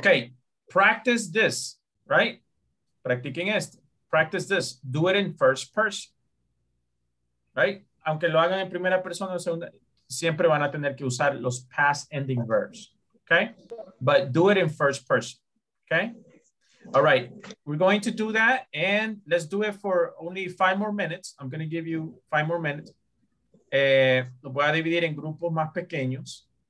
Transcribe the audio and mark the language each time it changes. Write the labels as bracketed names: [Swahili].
[English] okay. Practice this, right? [Spanish] Practiquen esto. [English] Practice this. Do it in first person, right? [Spanish] Aunque lo hagan en primera persona o segunda, siempre van a tener que usar los [English] past ending verbs, [Spanish] okay? [English] But do it in first person, okay? All right, we're going to do that, and let's do it for only 5 more minutes. I'm going to give you 5 more minutes. [Spanish] Lo voy a dividir en grupos más pequeños.